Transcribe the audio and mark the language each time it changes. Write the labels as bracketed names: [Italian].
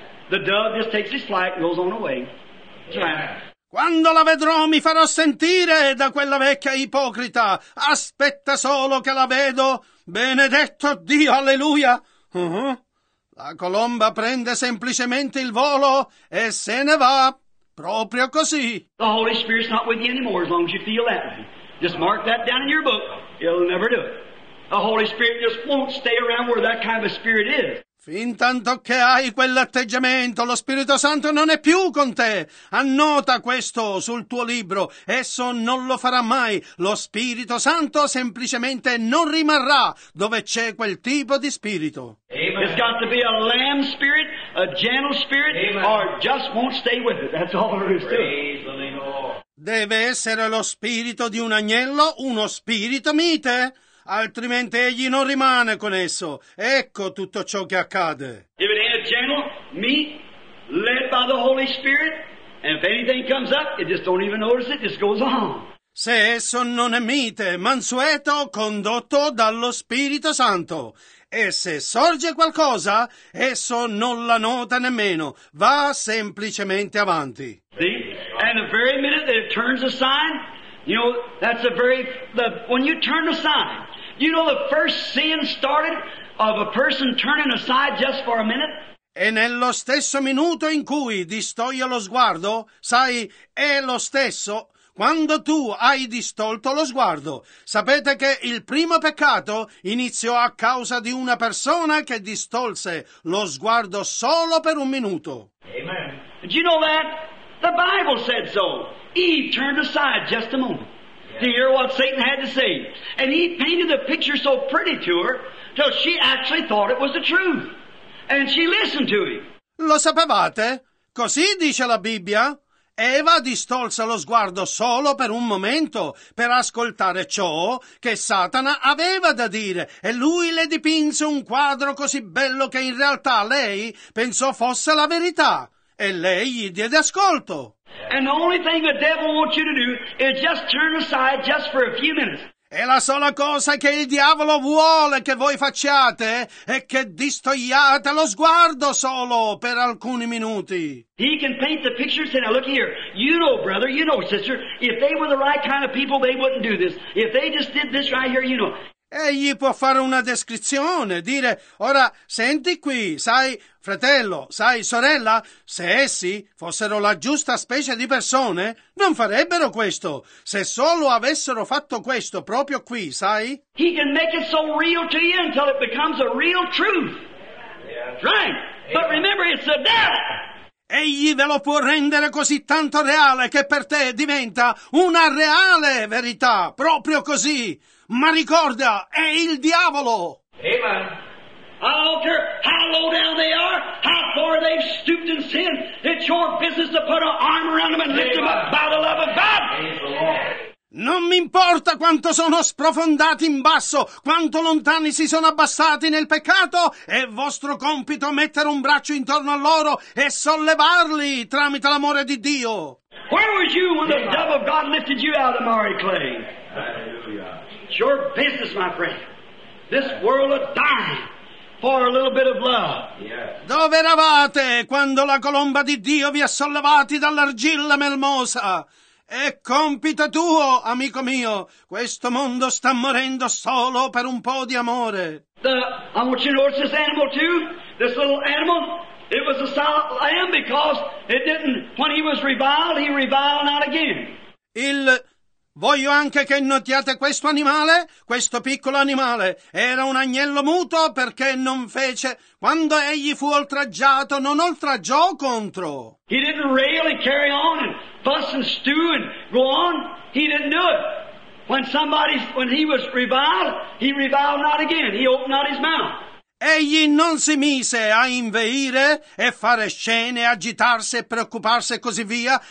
[English] The dove just takes his flight and goes on away. [Italian] Quando la vedrò mi farò sentire da quella vecchia ipocrita. Aspetta solo che la vedo. Benedetto Dio, alleluia. La colomba prende semplicemente il volo e se ne va. Proprio così. [English] The Holy Spirit's not with you anymore as long as you feel that way. Just mark that down in your book. It'll never do it. The Holy Spirit just won't stay around where that kind of spirit is. [Italian] Fin tanto che hai quell'atteggiamento, lo Spirito Santo non è più con te. Annota questo sul tuo libro. Esso non lo farà mai. Lo Spirito Santo semplicemente non rimarrà dove c'è quel tipo di spirito. Amen. [English] It's got to be a lamb spirit, a gentle spirit, amen, or just won't stay with it. That's all there is to it. [Italian] Deve essere lo spirito di un agnello, uno spirito mite. Altrimenti egli non rimane con esso. Ecco tutto ciò che accade. [English] If it ain't a gentle, meek, led by the Holy Spirit, and if anything comes up, it just don't even notice it, just goes on. [Italian] Se esso non è mite, mansueto, condotto dallo Spirito Santo, e se sorge qualcosa, esso non la nota nemmeno, va semplicemente avanti. [English] See? And the very minute that it turns a sign, you know, that's when you turn a sign, you know the first sin started of a person turning aside just for a minute? [Italian] E nello stesso minuto in cui distoglio lo sguardo, sai, è lo stesso, quando tu hai distolto lo sguardo, sapete che il primo peccato iniziò a causa di una persona che distolse lo sguardo solo per un minuto. [English] Amen. Did you know that? The Bible said so. Eve turned aside just a moment to hear what Satan had to say. And he painted the picture so pretty to her till she actually thought it was the truth. And she listened to him. [Italian] Lo sapevate? Così dice la Bibbia. Eva distolse lo sguardo solo per un momento per ascoltare ciò che Satana aveva da dire. E lui le dipinse un quadro così bello che in realtà lei pensò fosse la verità. E lei gli diede ascolto. [English] And the only thing the devil wants you to do is just turn aside just for a few minutes. [Italian] E la sola cosa che il diavolo vuole che voi facciate è che distogliate lo sguardo solo per alcuni minuti. [English] He can paint the pictures and look here. You know, brother, you know, sister, if they were the right kind of people, they wouldn't do this. If they just did this right here, you know. [Italian] Egli può fare una descrizione, dire, ora, senti qui, sai, fratello, sai, sorella, se essi fossero la giusta specie di persone, non farebbero questo. Se solo avessero fatto questo proprio qui, sai? [English] He can make it so real to you until it becomes a real truth. Yeah. Right. But remember, it's the devil. [Italian] Egli ve lo può rendere così tanto reale che per te diventa una reale verità, proprio così. Ma ricorda, è il diavolo! Amen. [English] I don't care how low down they are, how far they've stooped in sin, it's your business to put an arm around them and lift them up by the love of God! [Italian] Non mi importa quanto sono sprofondati in basso, quanto lontani si sono abbassati nel peccato, è vostro compito mettere un braccio intorno a loro e sollevarli tramite l'amore di Dio. [English] Where was you when the devil of God lifted you out of Mari Clay? It's your business, my friend. This world will die for a little bit of love. [Italian] Dove eravate quando la colomba di Dio vi ha sollevati dall'argilla melmosa? È compito tuo, amico mio. Questo mondo sta morendo solo per un po' di amore. [English] I want you to notice this animal too. This little animal, it was a silent lamb because it didn't, when he reviled not again. [Italian] Voglio anche che notiate questo animale, questo piccolo animale. Era un agnello muto perché non fece, quando egli fu oltraggiato, non oltraggiò contro. [English] He didn't rail and carry on and fuss and stew and go on. He didn't do it. When he was reviled, he reviled not again. He opened not his mouth. [Italian] Egli non si mise a inveire e fare scene, agitarsi e preoccuparsi e così via.